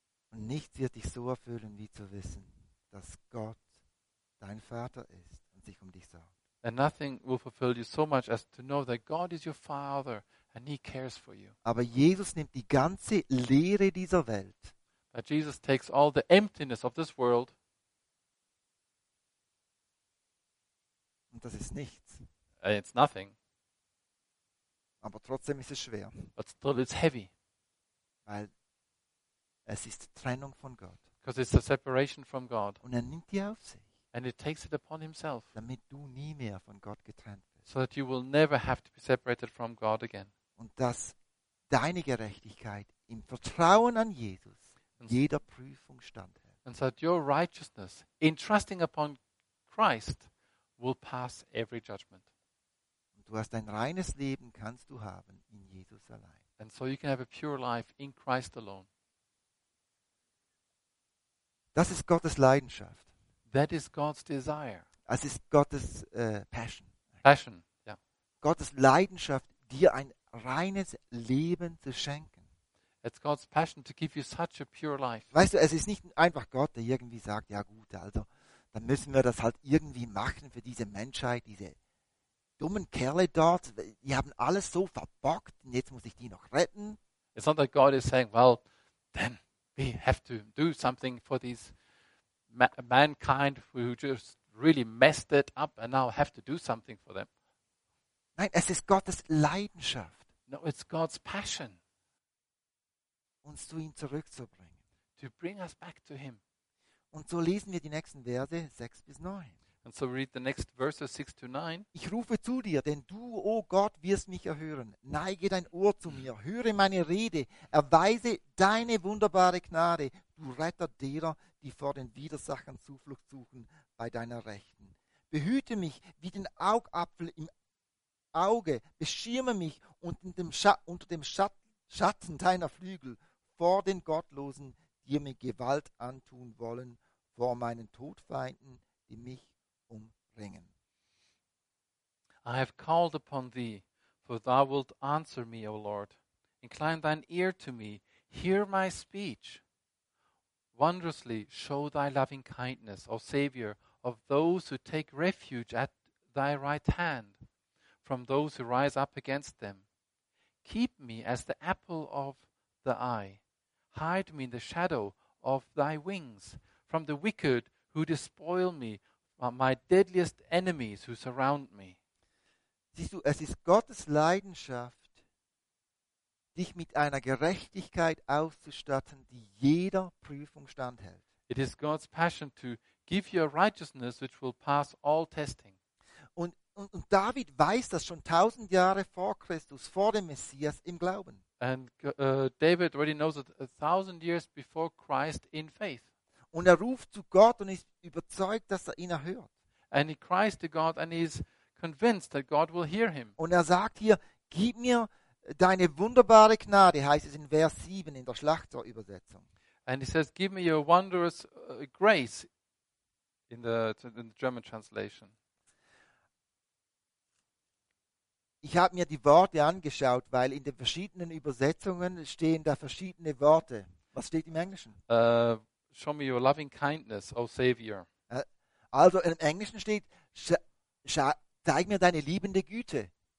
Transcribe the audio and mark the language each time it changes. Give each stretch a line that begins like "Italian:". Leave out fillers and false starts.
German: Und nichts wird dich so erfüllen, wie zu wissen, dass Gott dein Vater ist und sich um dich sorgt.
English: And nothing will fulfill you so much as to know that God is your Father and He cares for you.
German: Aber Jesus nimmt die ganze Leere dieser Welt.
English: But Jesus takes all the emptiness of this world.
German: Und das ist nichts.
English: And it's nothing.
German: Aber trotzdem ist es schwer.
English: But still it's heavy.
German: Weil es ist Trennung von Gott.
English: Because it's the separation from God.
German: Und er nimmt die auf sich.
English: And he takes it upon himself.
German: Damit du nie mehr von Gott getrennt bist.
English: So that you will never have to be separated from God again.
German: Und dass deine Gerechtigkeit im Vertrauen an Jesus jeder Prüfung standhält.
English: And so that your righteousness in trusting upon Christ will pass every judgment.
German: Und du hast ein reines Leben, kannst du haben in Jesus allein.
English: And so you can have a pure life in Christ alone.
German: Das ist Gottes Leidenschaft.
English: That is God's desire.
German: Das ist Gottes Passion.
English: Passion, ja. Yeah.
German: Gottes Leidenschaft, dir ein reines Leben zu schenken.
English: It's God's passion to give you such a pure life.
German: Weißt du, es ist nicht einfach Gott, der irgendwie sagt, ja gut, also dann müssen wir das halt irgendwie machen für diese Menschheit, diese dummen Kerle dort, die haben alles so verbockt und jetzt muss ich die noch retten.
English: It's not that God is saying, well, then we have to do something for these mankind who just really messed it up and now have to do something for them.
German: Nein, es ist Gottes Leidenschaft.
English: No, it's God's passion.
German: Uns zu ihm zurückzubringen.
English: To bring us back to him.
German: Und so lesen wir die nächsten Verse 6 bis 9.
English: And so we read the next verses 6 to 9.
German: Ich rufe zu dir, denn du, oh Gott, wirst mich erhören. Neige dein Ohr zu mir, höre meine Rede, erweise deine wunderbare Gnade, du Retter derer, die vor den Widersachern Zuflucht suchen bei deiner Rechten. Behüte mich wie den Augapfel im Auge, beschirme mich unter dem Schatten deiner Flügel vor den Gottlosen, die mir Gewalt antun wollen, vor meinen Todfeinden, die mich umringen.
English: I have called upon thee, for thou wilt answer me, O Lord. Incline thine ear to me, hear my speech. Wondrously show thy loving kindness, O Savior, of those who take refuge at thy right hand, from those who rise up against them. Keep me as the apple of the eye. Hide me in the shadow of thy wings, from the wicked who despoil me, my deadliest enemies who surround me.
German: Siehst du, es ist Gottes Leidenschaft, dich mit einer Gerechtigkeit auszustatten, die jeder Prüfung standhält.
English: It is God's passion to give you a righteousness which will pass all testing.
German: Und David weiß das schon 1000 Jahre vor Christus, vor dem Messias im Glauben.
English: And David already knows it 1000 years before Christ in faith.
German: Und er ruft zu Gott und ist überzeugt, dass er ihn erhört.
English: And he cries to God and he's convinced that God will hear him.
German: Und er sagt hier, gib mir deine wunderbare Gnade, heißt es in Vers 7 in der Schlachter Übersetzung.
English: And he says, give me your wondrous grace in the German translation.
German: Ich habe mir die Worte angeschaut, weil in den verschiedenen Übersetzungen stehen da verschiedene Worte. Was steht im Englischen?
English: Show me your loving kindness, O Savior.
German: Also im Englischen steht, zeig mir deine liebende Güte.